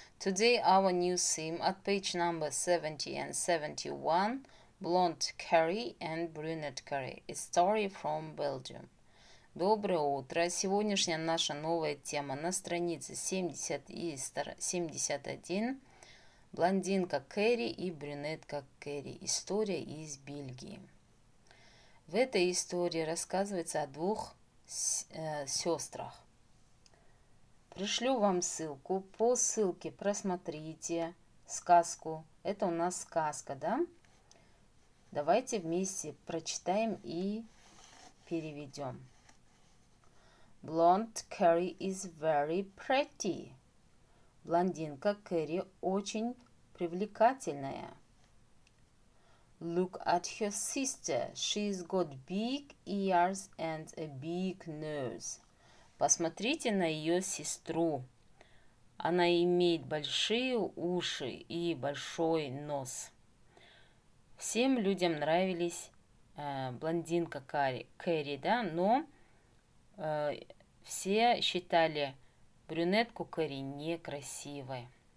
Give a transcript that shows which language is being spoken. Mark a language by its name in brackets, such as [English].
[English] Today, our new theme at page number 70 and 71, Blonde Carrie and Brunette Carrie, a story from Belgium. [Russian] Доброе утро! Сегодняшняя наша новая тема на странице 70 и 71. Блондинка Кэрри и брюнетка Кэрри. История из Бельгии. В этой истории рассказывается о двух сестрах. Пришлю вам ссылку. По ссылке просмотрите сказку. Это у нас сказка, да? Давайте вместе прочитаем и переведем. [English] Blonde Carrie is very pretty. [Russian] Блондинка Кэрри очень привлекательная. [English] Look at her sister. She's got big ears and a big nose. [Russian] Посмотрите на ее сестру. Она имеет большие уши и большой нос. Всем людям нравились блондинка Кэрри, да, но все считали брюнетку Кэрри некрасивой.